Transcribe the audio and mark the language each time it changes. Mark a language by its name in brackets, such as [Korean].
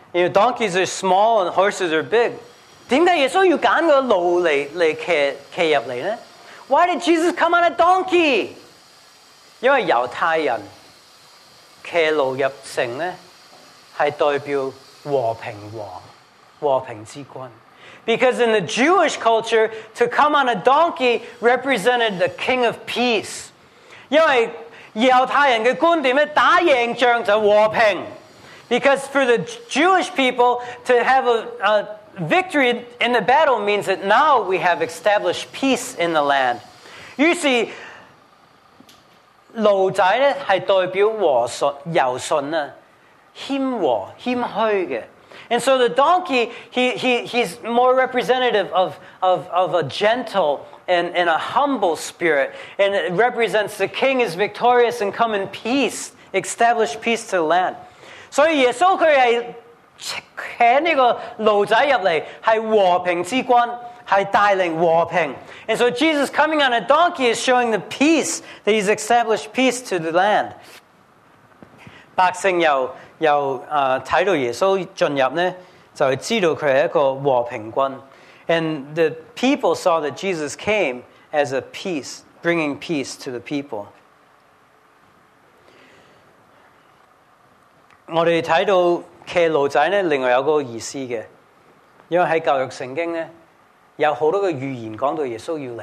[English] 因为 donkeys are small and horses are big。 [Cantonese] 点解耶稣要拣个驴嚟骑入嚟呢？ [English] Why did Jesus come on a donkey? [Cantonese] 因为犹太人骑驴入城呢，系代表和平王、和平之君。 [English] Because in the Jewish culture, to come on a donkey represented the king of peace. [Cantonese] 因为犹太人嘅观点咧，打赢仗就和平。 [English] Because for the Jewish people, to have a victory in the battle means that now we have established peace in the land. You see, [Cantonese] 驴仔呢是代表和顺、柔顺啊，谦和、谦虚的。 [English] And so the donkey, he's more representative of a gentle and a humble spirit, and it represents the king is victorious and come in peace, establish peace to the land. [Cantonese] So 耶稣佢系骑呢个驴仔入嚟，系和平之君，系带领和平。 [English] And so Jesus coming on a donkey is showing the peace that he's established peace to the land. [Cantonese] 百姓又睇到耶稣进入呢，就知道佢系一个和平君。 [English] And the people saw that Jesus came as a peace, bringing peace to the people. [Cantonese] 我哋睇到骑驴仔咧，另外有个意思嘅，因为喺旧约圣经咧，有好多嘅预言讲到耶稣要嚟。